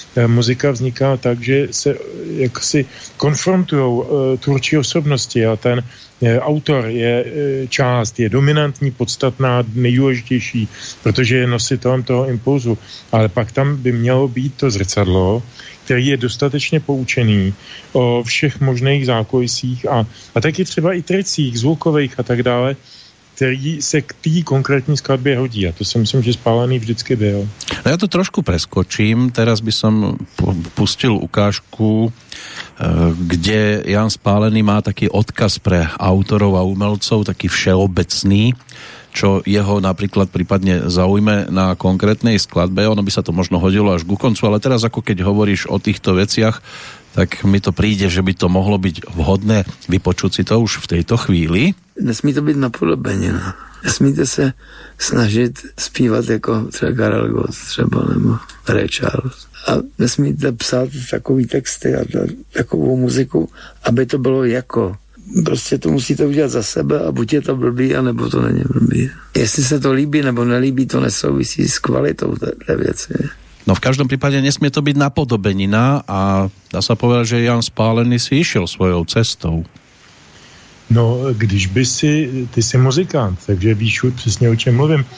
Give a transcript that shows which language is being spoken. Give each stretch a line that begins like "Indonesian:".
Czech: Muzika vzniká tak, že se jaksi konfrontujou tvůrčí osobnosti a ten autor je část, je dominantní, podstatná, nejdůležitější, protože je nositelem toho impulzu, ale pak tam by mělo být to zrcadlo, který je dostatečně poučený o všech možných zákulisích a taky třeba i tricích, zvukových a tak dále, který se k té konkrétní skladbě hodí. A to si myslím, že Spálený vždycky byl.
Slovak: Já to trošku preskočím. Teraz by som pustil ukážku, kde Jan Spálený má taký odkaz pre autorov a umelcov, taký všeobecný, čo jeho napríklad prípadne zaujme na konkrétnej skladbe. Ono by sa to možno hodilo až ku koncu, ale teraz ako keď hovoríš o týchto veciach, tak mi to príde, že by to mohlo byť vhodné vypočuť si to už v tejto chvíli.
Czech: Nesmí to byť napodobenina. Nesmíte sa snažiť spívať ako třeba Karel Gott, třeba nebo Ray Charles. A nesmíte psát takový texty a takovou muziku, aby to bylo jako. prostě to musíte udělat za sebe a buď je to blbý, anebo to není blbý. Jestli se to líbí nebo nelíbí, to nesouvisí s kvalitou té věci.
Slovak: No v každom prípade nesmie to byť napodobenina a dá sa povedať, že Jan Spálený si išiel svojou cestou.
Czech: No, když by si, ty jsi muzikant, takže víš přesně, o čem mluvím.